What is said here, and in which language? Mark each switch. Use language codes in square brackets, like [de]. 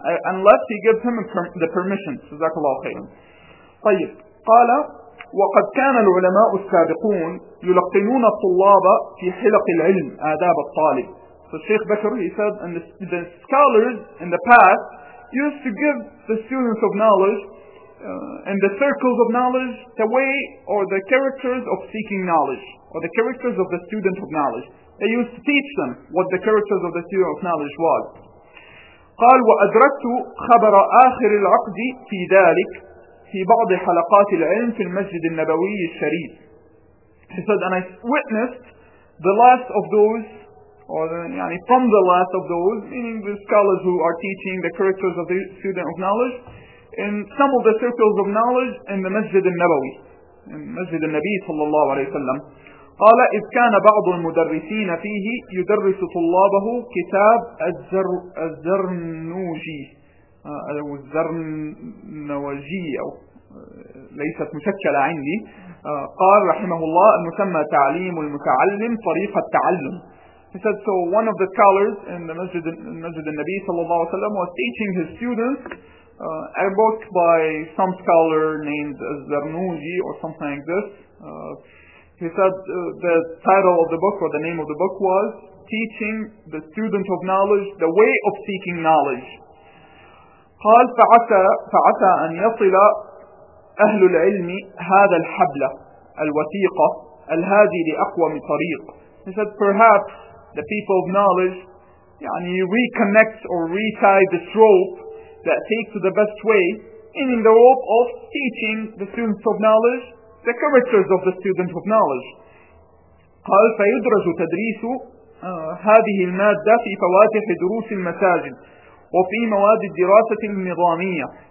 [en] Unless he gives him the permission. [ar] جزاك الله خيرا. طيب. قال وقد كان العلماء السابقون يلقنون الطلاب في حلق العلم آداب الطالب. [en] So Sheikh Bakr, he said, and the scholars in the past used to give the students of knowledge and the circles of knowledge the way or the characters of seeking knowledge, or the characters of the student of knowledge. They used to teach them what the characters of the student of knowledge was. [ar] قال وأدركت خبر آخر العقد في ذلك في بعض حلقات العلم في المسجد النبوي الشريف. [en] He said, and I witnessed the last of those, or the, yani from the last of those, meaning the scholars who are teaching the characters of the student of knowledge, in some of the circles of knowledge in the Masjid al-Nabawi, in Masjid al-Nabi sallallahu alayhi wa sallam. [ar] قَالَ إِذْ كَانَ بَعْضُ الْمُدَرِّسِينَ فِيهِ يُدَرِّسُ طُلَّابَهُ كِتَابَ الزَّرْنُوجِي أو الزَّرْنَوَجِي أو ليست مشكلة عندي. قال رحمه الله المسمى تعليم المتعلم طريق التعلم. [en] He said, so one of the scholars in the Masjid al-Nabi sallallahu alayhi wa sallam was teaching his students a book by some scholar named Zarnuji or something like this. He said the title of the book or the name of the book was Teaching the Student of Knowledge the Way of Seeking Knowledge. [ar] قال فعسى أن يصل أهل العلم هذا الحبل الوثيقة الهادي لأقوم طريق. [en] He said, perhaps the people of knowledge, يعني reconnect or retie this rope that takes to the best way, meaning the rope of teaching the students of knowledge, the characters of the students of knowledge. [ar] قال فيدرج تدريس هذه المادة في فواتح دروس المساجد وفي مواد الدراسة النظامية.